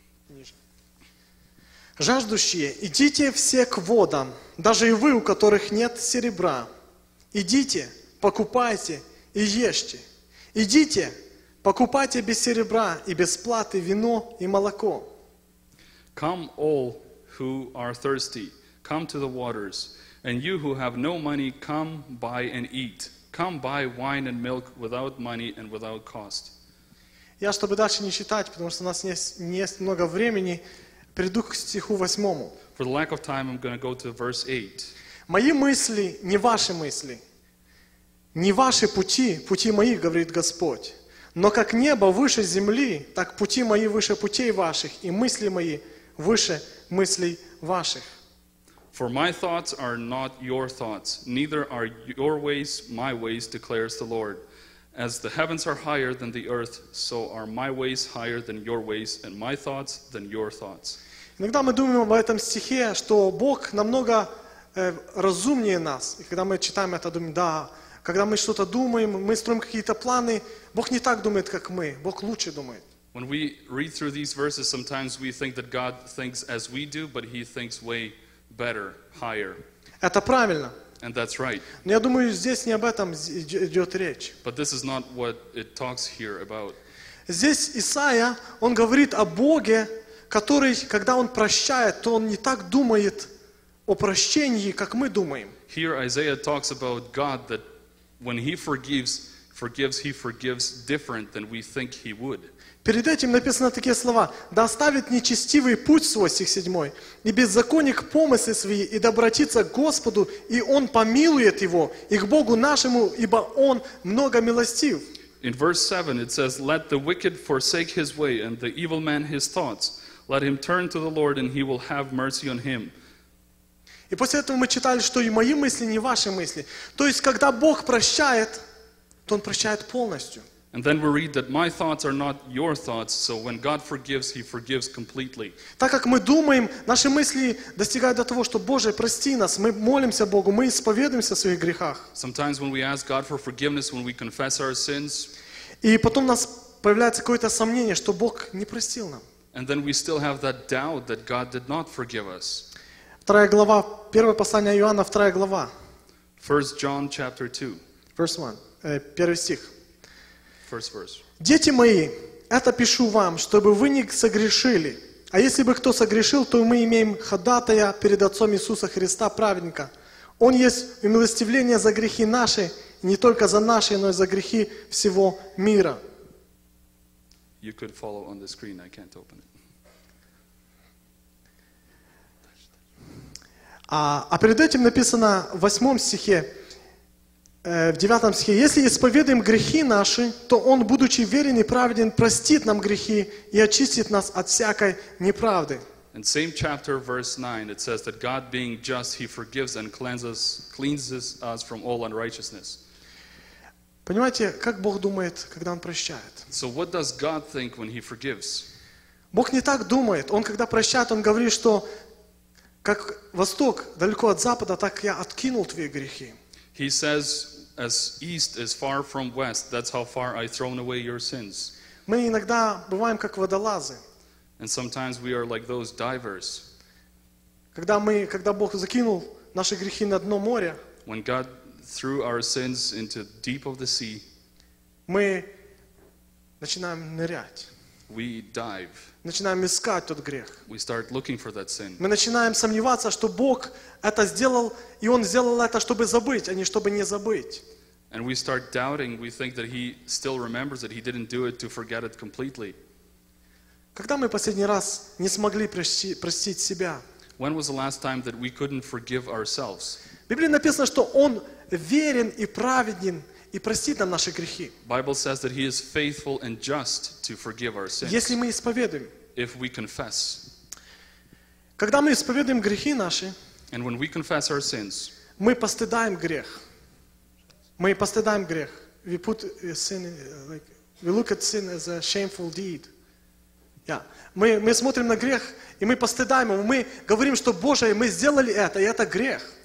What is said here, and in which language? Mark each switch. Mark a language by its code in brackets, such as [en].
[ru] Ниже. Жаждущие, идите все к водам, даже и вы, у которых нет серебра. Идите, покупайте и ешьте. Идите, покупайте без серебра и без платы вино и молоко. [en] Come all who are thirsty, come to the waters. And you who have no money, come buy and eat. Come buy wine and milk without money and without cost. [ru] Я, чтобы дальше не читать, потому что у нас не есть много времени, перейду к стиху восьмому. [en] For the lack of time, I'm going to go to verse 8. [ru] Мои мысли, не ваши мысли, не ваши пути, пути мои, говорит Господь. Но как небо выше земли, так пути мои выше путей ваших, и мысли мои выше мыслей ваших. [en] For my thoughts are not your thoughts, neither are your ways my ways, declares the Lord. As the heavens are higher than the earth, so are my ways higher than your ways, and my thoughts than your thoughts. [ru] Иногда мы думаем об этом стихе, что Бог намного разумнее нас. И когда мы читаем это, думаем, да, когда мы что-то думаем, мы строим какие-то планы, Бог не так думает, как мы. Бог лучше думает. [en] When we read through these verses, sometimes we think that God thinks as we do, but He thinks way better, higher. [ru] Это правильно. [en] And that's right. [ru] Но я думаю, здесь не об этом идет речь. [en] But this is not what it talks here about. [ru] Здесь Исаия, он говорит о Боге, который, когда он прощает, то он не так думает о прощении, как мы думаем. [en] Here Isaiah talks about God that when he forgives, he forgives different than we think he would. [ru] Перед этим написано такие слова: да оставит нечестивый путь свой, стих 7, и беззаконник помыслы свои, и да обратится к Господу, и он помилует его, и к Богу нашему, ибо он много милостив. [en] In verse 7 it says, let the wicked forsake his way, and the evil man his thoughts. Let him turn to the Lord, and he will have mercy on him. [ru] И после этого мы читали, что и мои мысли, не ваши мысли. То есть, когда Бог прощает, то Он прощает полностью. [en] And then we read that my thoughts are not your thoughts, so when God forgives, He forgives completely. [ru] Так как мы думаем, наши мысли достигают до того, что Боже, прости нас, мы молимся Богу, мы исповедуемся в своих грехах. [en] Sometimes when we ask God for forgiveness, when we confess our sins, [ru] и потом у нас появляется какое-то сомнение, что Бог не простил нам. [en] And then we still have that doubt that God did not forgive us. [ru] Вторая глава, первое послание Иоанна, вторая глава. [en] 1 John chapter 2. First one. [ru] Первый стих. [en] First verse. [ru] Дети мои, это пишу вам, чтобы вы не согрешили. А если бы кто согрешил, то мы имеем ходатая перед Отцом Иисуса Христа, праведника. Он есть умилостивление за грехи наши, не только за наши, но и за грехи всего мира. [en] You could follow on the screen, I can't open it. [ru] А перед этим написано в 8 стихе, В 9 стихе: «Если исповедуем грехи наши, то Он, будучи верен и праведен, простит нам грехи и очистит нас от всякой неправды». [en] In the same chapter, verse 9, it says that God being just, He forgives and cleanses us from all unrighteousness. [ru] Понимаете, как Бог думает, когда Он прощает? [en] So what does God think when He forgives? [ru] Бог не так думает. Он, когда прощает, Он говорит, что как восток далеко от запада, так я откинул твои грехи. [en] He says, as east is far from west, that's how far I've thrown away your sins. [ru] Мы иногда бываем как водолазы. [en] And sometimes we are like those divers. [ru] Когда Бог закинул наши грехи на дно моря, [en] when God threw our sins into deep of the sea, [ru] мы начинаем нырять. [en] We dive. [ru] Начинаем искать тот грех. [en] We start looking for that sin. [ru] Мы начинаем сомневаться, что Бог это сделал, и Он сделал это, чтобы забыть, а не чтобы не забыть. [en] And we start doubting, we think that He still remembers it, He didn't do it to forget it completely. [ru] Когда мы последний раз не смогли простить себя? [en] When was the last time that we couldn't forgive ourselves? [ru] В Библии написано, что Он верен и праведен и простит нам наши грехи. [en] Bible says that He is faithful and just to forgive our sins. [ru] Если мы исповедуем. [en] If we confess. [ru] Когда мы исповедуем грехи наши, [en] and when we confess our sins, [ru] мы постыдаем грех. Мы постыдаем грех. [en] We put sin, like, we look at sin as a shameful deed. Yeah. [ru] Мы смотрим на грех, и мы постыдаем его. Мы говорим, что, Боже, мы сделали это, и это грех.